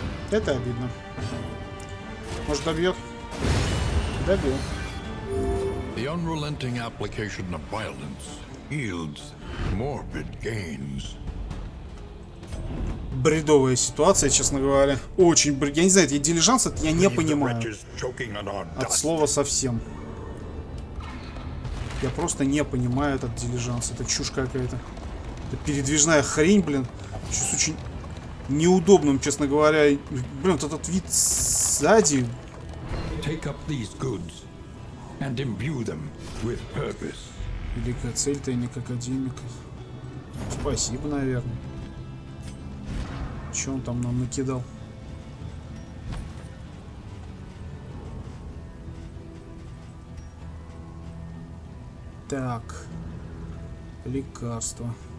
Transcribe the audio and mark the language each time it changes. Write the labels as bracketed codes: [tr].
[ru] Это обидно. Может, добьет? Добил. [en] The unrelenting application of violence yields morbid gains. [ru] Бредовая ситуация, честно говоря. Очень бред. Я не знаю, это дилижанс, это я не понимаю. От слова совсем. Я просто не понимаю этот дилижанс. Это чушь какая-то. Это передвижная хрень, блин. Сейчас очень неудобным, честно говоря. Блин, вот этот вид сзади. [en] Take up these goods and imbue them with purpose. [ru] Великая цель, тайник академика. Спасибо, наверное. Че он там нам накидал? Так, лекарство.